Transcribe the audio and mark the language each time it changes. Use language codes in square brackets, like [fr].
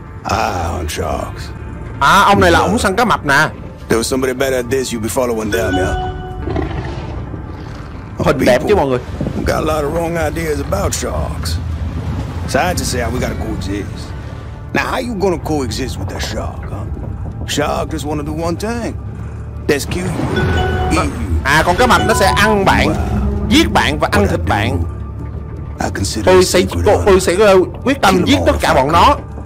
[en] On sharks. [vi] À, ông này là ông săn cá mập nè. [en] There was somebody better at this, you'd be following them, yeah. [vi] Hình đẹp chứ mọi người. [en] We got a lot of wrong ideas about sharks. Science is saying we got a cool disease. Now, how you gonna coexist with that shark, huh? Shark just wanna do one thing. That's kill you, eat you. [vi] À, con cá mập nó sẽ ăn bạn, giết bạn và ăn thịt bạn. Tôi sẽ quyết tâm giết tất cả bọn nó.